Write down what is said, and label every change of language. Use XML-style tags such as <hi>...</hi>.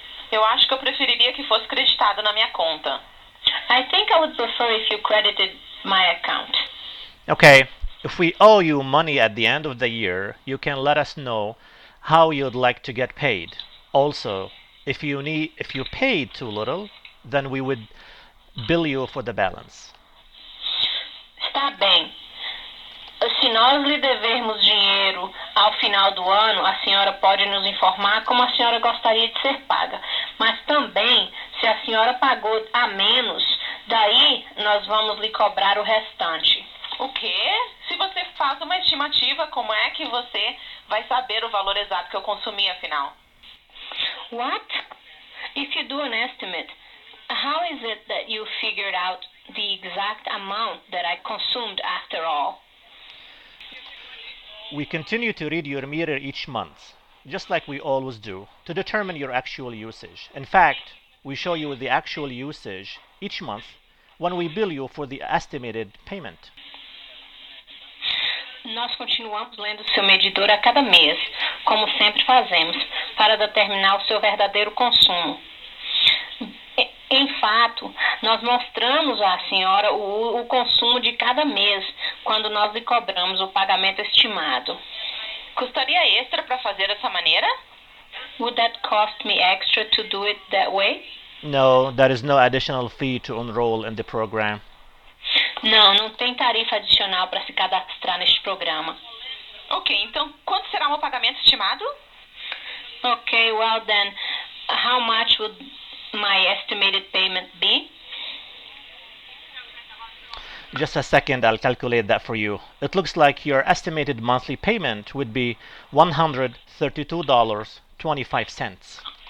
<pt>Eu acho que eu preferiria que fosse creditado na minha conta.</pt> <en>I think I would prefer if you credited my account. Okay, if we owe you money at the end of the year, you can let us know how you'd like to get paid. Also, if you paid too little, then we would bill you for the balance.</en> <pt>Está bem. Se nós lhe devermos dinheiro ao final do ano, a senhora pode nos informar como a senhora gostaria de ser paga. Mas também, se a senhora pagou a menos, daí nós vamos lhe cobrar o restante. O quê? Se você faz uma estimativa, como é que você vai saber o valor exato que eu consumi, afinal?</pt> <en>What? If you do an estimate, how is it that you figured out the exact amount that I consumed after all? We continue to read your meter each month, just like we always do, to determine your actual usage. In fact, we show you the actual usage each month when we bill you for the estimated payment.</en> <pt>Nós continuamos lendo seu medidor a cada mês, como sempre fazemos, para determinar o seu verdadeiro consumo. Em fato, nós mostramos à senhora o consumo de cada mês, quando nós lhe cobramos o pagamento estimado. Custaria extra para fazer dessa maneira?</pt> <en>Would that cost me extra to do it that way? No, there is no additional fee to enroll in the program.</en> <pt>Não, não tem tarifa adicional para se cadastrar neste programa. Ok, então, quanto será o pagamento estimado?</pt> <en>Ok, well then, how much would my estimated payment be? Just a second, I'll calculate that for you. It looks like your estimated monthly payment would be $132.25.</en>